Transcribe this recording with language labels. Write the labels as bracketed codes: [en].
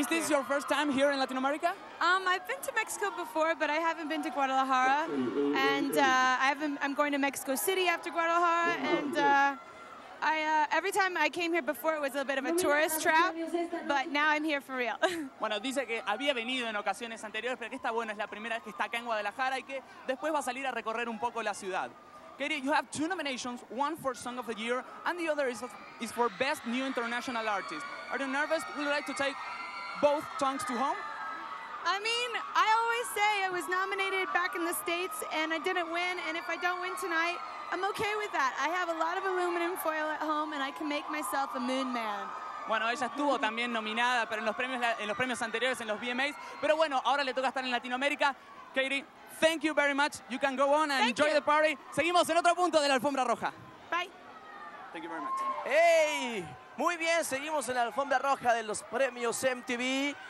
[en] Is this your first time here in Latin America? I've been to Mexico before, but I haven't been to Guadalajara. And I'm going to Mexico City after Guadalajara. And every time I came here before, it was a little bit of a tourist trap, but now I'm here for real. [es] Bueno, dice que había venido en ocasiones anteriores, pero que está bueno, es la primera vez que está acá en Guadalajara y que después va a salir a recorrer un poco la ciudad. [en] Katy, you have 2 nominations, one for Song of the Year, and the other is for Best New International Artist. Are you nervous? Would you like to take both songs to home? I mean, I always say I was nominated back in the States and I didn't win, and if I don't win tonight, I'm okay with that. I have a lot of aluminum foil at home and I can make myself a moon man. [es] Bueno, ella estuvo también nominada, pero en los premios anteriores, en los VMAs. Pero bueno, ahora le toca estar en Latinoamérica. [en] Katy, thank you very much. You can go on and thank enjoy you. The party. [es] Seguimos en otro punto de la alfombra roja. [en] Bye. Thank you very much. [es] Hey, muy bien, seguimos en la alfombra roja de los premios MTV.